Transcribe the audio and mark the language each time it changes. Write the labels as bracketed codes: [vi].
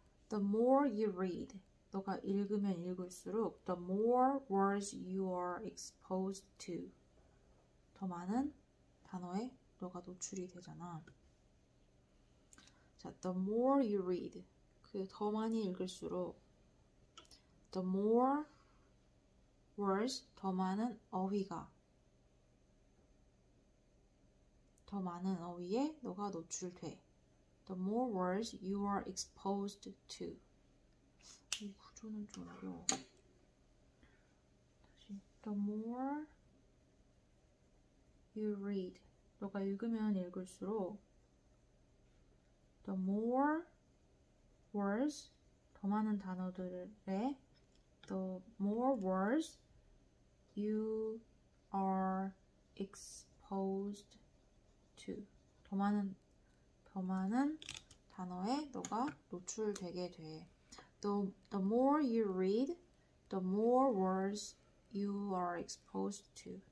[en] The more you read, [ko] 너가 읽으면 읽을수록 [en] the more words you are exposed to. [ko] 더 많은 단어에 너가 노출이 되잖아. 자, [en] the more you read, [ko] 그 더 많이 읽을수록 [en] the more words, [ko] 더 많은 어휘가 더 많은 어휘에 너가 노출돼. [en] The more words you are exposed to. [ko] 이 구조는 좀 어려워. 다시. [en] The more you read. [ko] 너가 읽으면 읽을수록 [en] The more words [ko] 더 많은 단어들에 [en] The more words you are exposed to. [ko] 더 많은 단어에 너가 노출되게 돼. [en] The more you read, the more words you are exposed to.